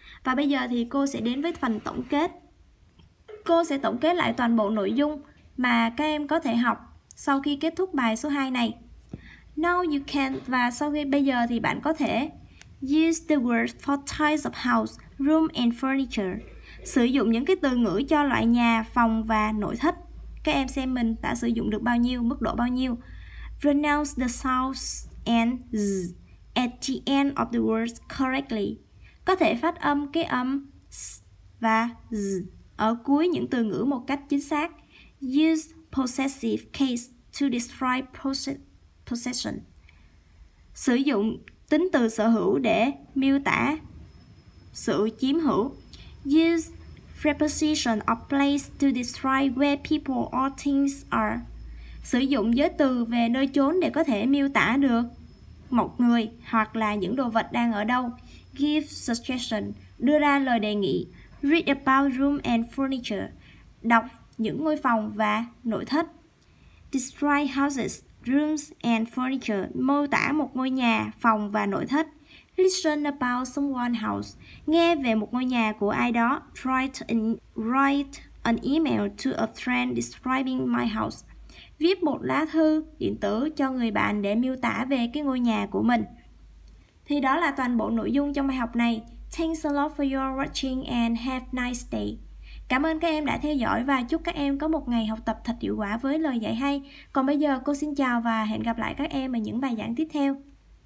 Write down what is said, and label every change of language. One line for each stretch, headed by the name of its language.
Vietnamese: Và bây giờ thì cô sẽ đến với phần tổng kết. Cô sẽ tổng kết lại toàn bộ nội dung mà các em có thể học sau khi kết thúc bài số 2 này.
English: Now you can,
Vietnamese: và sau khi bây giờ thì bạn có thể
English: use the words for types of house, room and furniture.
Vietnamese: Sử dụng những cái từ ngữ cho loại nhà, phòng và nội thất. Các em xem mình đã sử dụng được bao nhiêu, mức độ bao nhiêu.
English: Pronounce the sounds and z at the end of the words correctly.
Vietnamese: Có thể phát âm cái âm s và z ở cuối những từ ngữ một cách chính xác.
English: Use possessive case to describe possession.
Vietnamese: Sử dụng tính từ sở hữu để miêu tả sự chiếm hữu.
English: Use preposition of place to describe where people or things are.
Vietnamese: Sử dụng giới từ về nơi chốn để có thể miêu tả được một người hoặc là những đồ vật đang ở đâu.
English: Give suggestion,
Vietnamese: đưa ra lời đề nghị.
English: Read about room and furniture,
Vietnamese: đọc những ngôi phòng và nội thất.
English: Describe houses, rooms and furniture,
Vietnamese: mô tả một ngôi nhà, phòng và nội thất.
English: Listen about someone's house,
Vietnamese: nghe về một ngôi nhà của ai đó.
English: Write an email to a friend describing my house.
Vietnamese: Viết một lá thư điện tử cho người bạn để miêu tả về cái ngôi nhà của mình. Thì đó là toàn bộ nội dung trong bài học này.
English: Thanks a lot for your watching and have a nice day.
Vietnamese: Cảm ơn các em đã theo dõi và chúc các em có một ngày học tập thật hiệu quả với lời dạy hay. Còn bây giờ cô xin chào và hẹn gặp lại các em ở những bài giảng tiếp theo.